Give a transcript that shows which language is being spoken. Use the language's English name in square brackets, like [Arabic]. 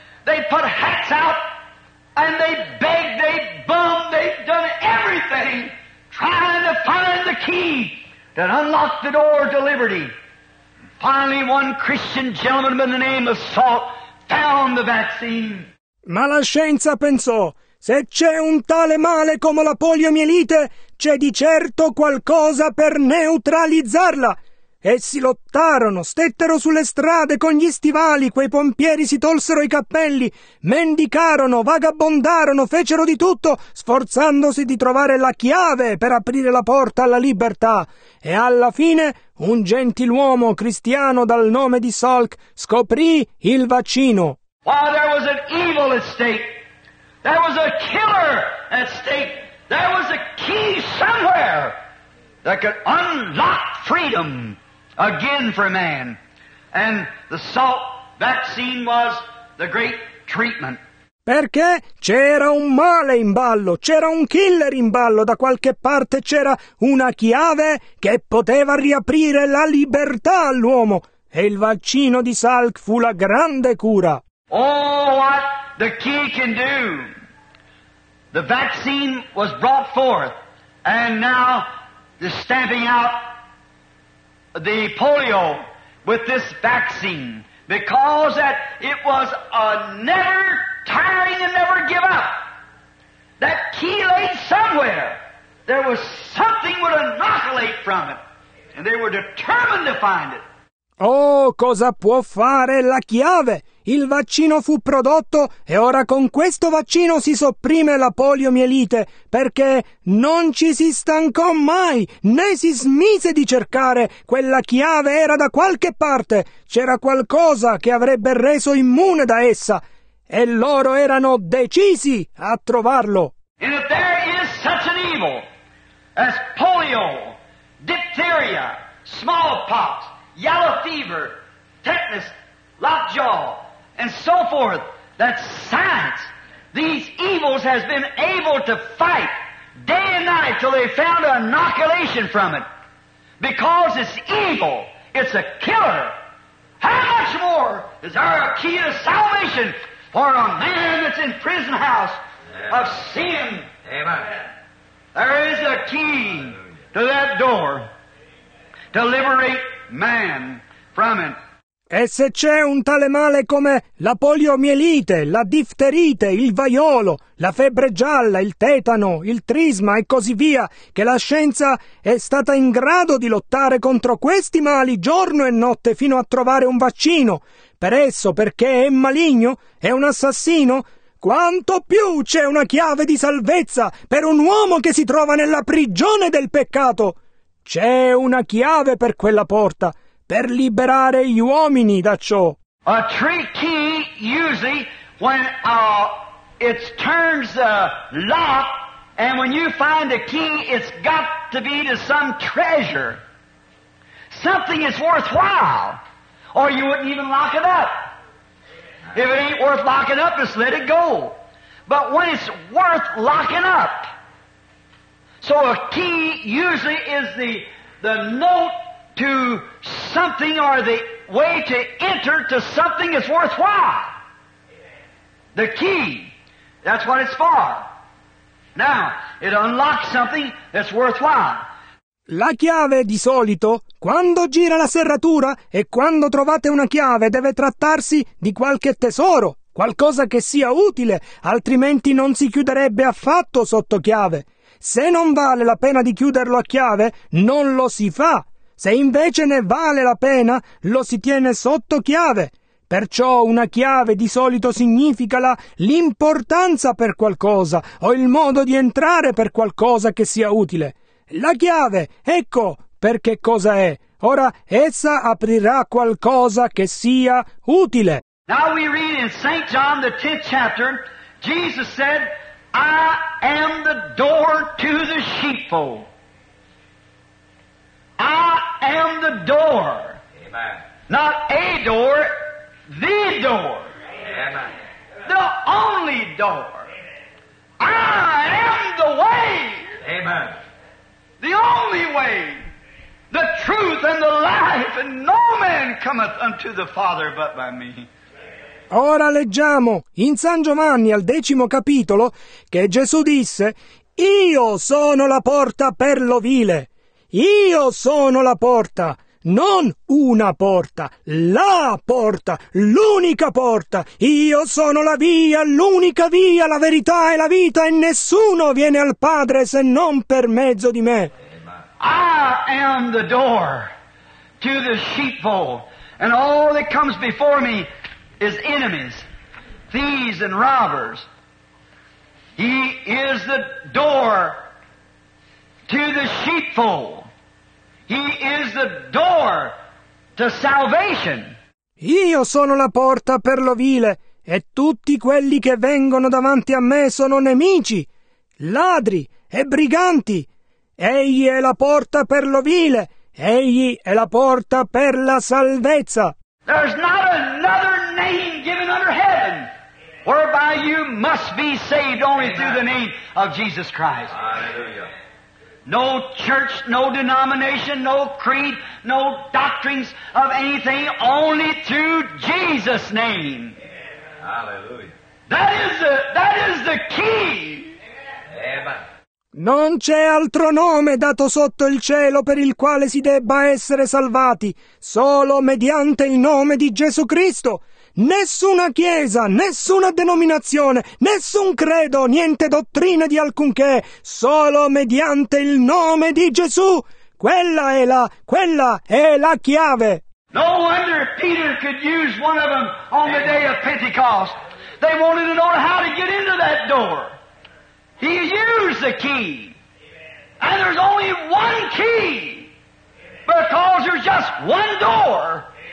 [English] They put hats out. And they begged, they bummed, they've done everything trying to find the key that unlocked the door to liberty. Finally, one Christian gentleman by the name of Salt found the vaccine. [Italian] Ma la scienza pensò, se c'è un tale male come la poliomielite, c'è di certo qualcosa per neutralizzarla. Essi lottarono, stettero sulle strade con gli stivali, quei pompieri si tolsero i cappelli, mendicarono, vagabondarono, fecero di tutto, sforzandosi di trovare la chiave per aprire la porta alla libertà. E alla fine un gentiluomo cristiano dal nome di Salk scoprì il vaccino. [English] While there was an evil estate, there was a killer at stake. There was a key somewhere that could unlock freedom again for man. And the Salk vaccine was the great treatment. [Italian] Perché c'era un male in ballo, c'era un killer in ballo, da qualche parte c'era una chiave che poteva riaprire la libertà all'uomo. E il vaccino di Salk fu la grande cura. [English] Oh, what the key can do. The vaccine was brought forth, and now they're stamping out the polio with this vaccine, because that it was a never tiring and never give up. That key lay somewhere. There was something would annihilate from it, and they were determined to find it. [Italian] Oh, cosa può fare la chiave? Il vaccino fu prodotto e ora con questo vaccino si sopprime la poliomielite, perché non ci si stancò mai, né si smise di cercare. Quella chiave era da qualche parte, c'era qualcosa che avrebbe reso immune da essa, e loro erano decisi a trovarlo. [English] And if there is such an evil, as polio, diphtheria, smallpox, yellow fever, tetanus, lockjaw, and so forth, that science, these evils, has been able to fight day and night till they found an inoculation from it. Because it's evil, it's a killer. How much more is there a key to salvation for a man that's in prison house of sin? Amen. There is a key to that door to liberate man from it. [Italian] E se c'è un tale male come la poliomielite, la difterite, il vaiolo, la febbre gialla, il tetano, il trisma e così via, che la scienza è stata in grado di lottare contro questi mali giorno e notte fino a trovare un vaccino per esso, perché è maligno, è un assassino, quanto più c'è una chiave di salvezza per un uomo che si trova nella prigione del peccato! C'è una chiave per quella porta, per liberare gli uomini da ciò. [English] A tree key, usually, when it turns the lock, and when you find a key, it's got to be to some treasure. Something is worthwhile, or you wouldn't even lock it up. If it ain't worth locking up, just let it go. But when it's worth locking up, so a key usually is the note to something, or the way to enter to something that's worthwhile. The key, that's what it's for. Now, it unlocks something that's worthwhile. [Italian] La chiave, di solito, quando gira la serratura e quando trovate una chiave, deve trattarsi di qualche tesoro, qualcosa che sia utile, altrimenti non si chiuderebbe affatto sotto chiave. Se non vale la pena di chiuderlo a chiave, non lo si fa. Se invece ne vale la pena, lo si tiene sotto chiave. Perciò una chiave di solito significa l'importanza per qualcosa o il modo di entrare per qualcosa che sia utile. La chiave, ecco per che cosa è. Ora essa aprirà qualcosa che sia utile. [English] Now we read in St. John, the 10th chapter, Jesus said, I am the door to the sheepfold. I am the door. Amen. Not a door, the door. Amen. The only door. Amen. I am the way. Amen. The only way. The truth and the life. And no man cometh unto the Father but by me. [Italian] Ora leggiamo in San Giovanni al 10° capitolo che Gesù disse, Io sono la porta per l'ovile. Io sono la porta, non una porta, la porta, l'unica porta. Io sono la via, l'unica via, la verità e la vita, e nessuno viene al Padre se non per mezzo di me. [English] I am the door to the sheepfold, and all that comes before me is enemies, thieves and robbers. He is the door to the sheepfold. He is the door to salvation. [Italian] Io sono la porta per l'ovile, e tutti quelli che vengono davanti a me sono nemici, ladri e briganti. Egli è la porta per l'ovile, egli è la porta per la salvezza. [English] There's not another name given under heaven whereby you must be saved only Amen. Through the name of Jesus Christ. Hallelujah. No church, no denomination, no creed, no doctrines of anything, only through Jesus' name. Hallelujah. That is the key. Amen. [Italian] Non c'è altro nome dato sotto il cielo per il quale si debba essere salvati, solo mediante il nome di Gesù Cristo. Nessuna chiesa, nessuna denominazione, nessun credo, niente dottrina di alcunché, solo mediante il nome di Gesù. Quella è la chiave. [English] No wonder Peter could use one of them on the day of Pentecost. They wanted to know how to get into that door. He used the key. And there's only one key. Because there's just one door.